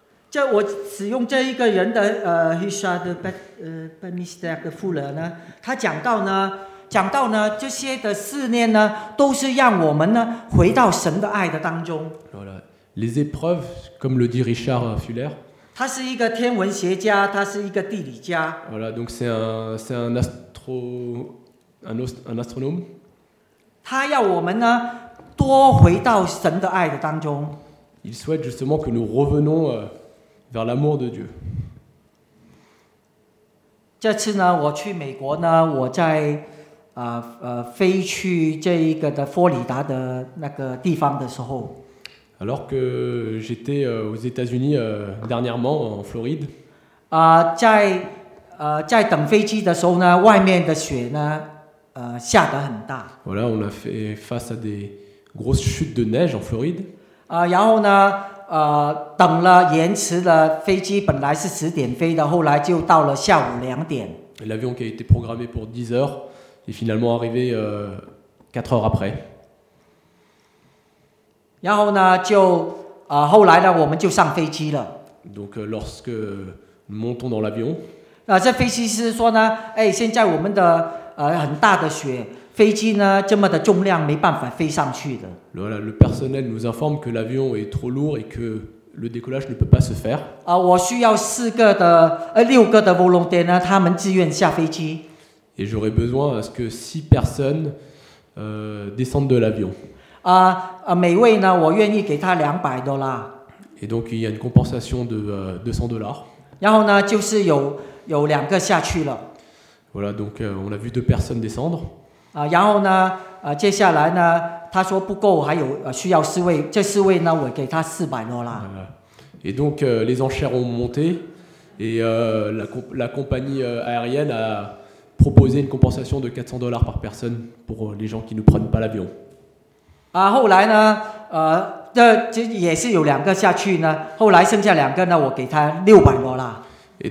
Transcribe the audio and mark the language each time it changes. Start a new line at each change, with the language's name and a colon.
Chinese: 这我使用这一个人的Richard Bemister 的富人呢，他讲到呢，这些的试炼呢，都是让我们呢回到神的爱的当中。
French: Voilà. Les épreuves, comme le dit Richard Fuller,
Chinese: 他是一个天文学家，他是一个地理家。
French: Voilà, donc c'est un astronome.
Chinese: 他要我们呢多回到神的爱的当中。
French: Il souhaite justement que nous revenions vers l'amour de Dieu.
Chinese: 这次呢，我去美国呢，我在飞去这一个的佛罗里达的那个地方的时候。
French: Alors que j'étais aux États-Unis dernièrement en Floride.
Chinese: 在等飞机的时候呢，外面的雪呢，下得很大。
French: Voilà, on a fait face à des grosses chutes de neige en Floride.
Chinese: 然后呢？等了延迟了飞机，本来是十点飞的，后来就到了下午两点。
French: L'avion qui a été programmé pour 10 heures est finalement arrivé 4 heures après.
Chinese: 然后呢，就后来呢，我们就上飞机了。
French: Donc lorsque nous montons dans l'avion.
Chinese: 那这飞机师说呢，哎，现在我们的很大的雪，飞机呢这么的重量没办法飞上去的。
French: Voilà, le personnel nous informe que l'avion est trop lourd et que le décollage ne peut pas se faire.
Chinese: 我需要四个的六个的 volontaire 呢，他们自愿下飞机。
French: Et j'aurais besoin à ce que six personnes descendent de l'avion.
Chinese: 每位呢，我愿意给他$200。
French: Et donc il y a une compensation de $200.
Chinese: 然后呢，就是有两个下去了。
French: Voilà, donc on a vu deux personnes descendre.
Chinese: 然后呢，接下来呢，他说不够，还有需要四位，这四位呢，我给他$400。
French: Et donc les enchères ont monté et la compagnie aérienne a proposer une compensation de $400 par personne pour les gens qui ne prennent pas l'avion. Et